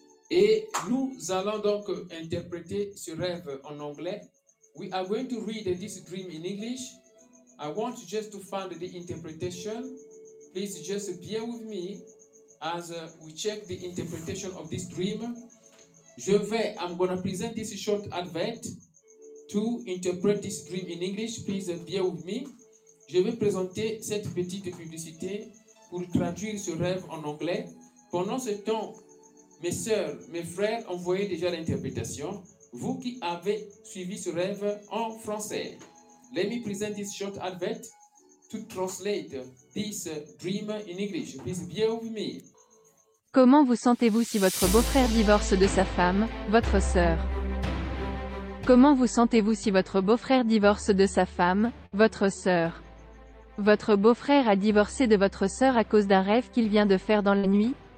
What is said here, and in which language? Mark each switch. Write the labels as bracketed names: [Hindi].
[French] Et nous allons donc interpréter ce rêve en anglais. [English] We are going to read this dream in English. I want just to find the interpretation. Please just bear with me as we check the interpretation of this dream. I'm going to present this short advert to interpret this dream in English. Please bear with me. [French] Je vais présenter cette petite publicité pour traduire ce rêve en anglais. Pendant ce temps, mes sœurs, mes frères, envoyez déjà l'interprétation. Vous qui avez suivi ce rêve en français. [English] Let me present this short advert to translate this dream in English. Please bear with me. [French] Comment vous sentez-vous si votre beau-frère divorce de sa femme, votre sœur? Comment vous sentez-vous si votre beau-frère divorce de sa femme, votre sœur? Votre beau-frère a divorcé de votre sœur à cause d'un rêve qu'il vient de faire dans la nuit?